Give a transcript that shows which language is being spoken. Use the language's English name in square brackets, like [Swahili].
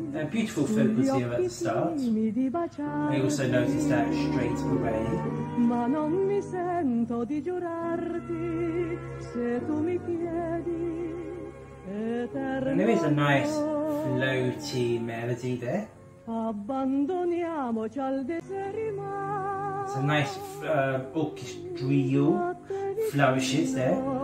[English] Beautiful vocals here at the start. We also notice that straight away. [Italian] Ma non mi sento di giurarti se tu mi chiedi. [English] And there is a nice, floaty melody there. [Italian] Abbandoniamoci al deserto. [English] It's a nice orchestral flourishes there.